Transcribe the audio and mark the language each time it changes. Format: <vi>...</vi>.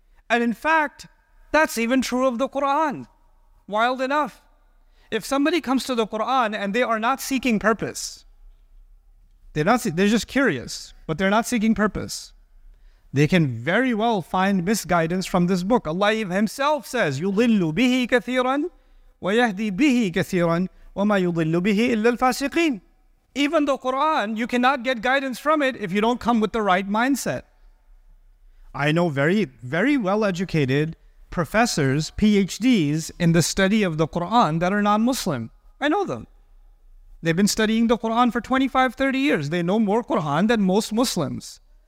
<en>And in fact, that's even true of the Quran. Wild enough. If somebody comes to the Quran and they are not seeking purpose, they're just curious, but they're not seeking purpose, they can very well find misguidance from this book. Allah himself says,</en> <ar>يُضِلُّ بِهِ كَثِيرًا وَيَهْدِي بِهِ كَثِيرًا وَمَا يُضِلُّ بِهِ إِلَّا الْفَاسِقِينَ.</ar> <en>Even the Quran, you cannot get guidance from it if you don't come with the right mindset. I know very, very well-educated professors, PhDs, in the study of the Quran that are non-Muslim. I know them. They've been studying the Quran for 25, 30 years. They know more Quran than most Muslims.</en>